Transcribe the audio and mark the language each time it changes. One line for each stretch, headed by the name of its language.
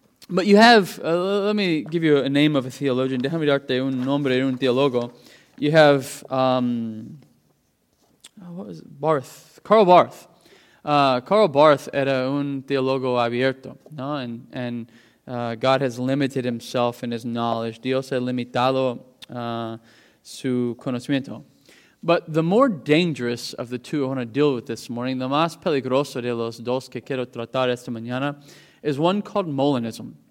English: But you have, let me give you a name of a theologian.
Spanish: Déjame darte un nombre de un teólogo.
English: You have,
Spanish: Karl Barth. Karl Barth era un teólogo abierto, ¿no?
English: And God has limited himself in his knowledge.
Spanish: Dios ha limitado su conocimiento.
English: But the more dangerous of the two I want to deal with this morning, the
Spanish: más peligroso de los dos que quiero tratar esta mañana,
English: is one called Molinism.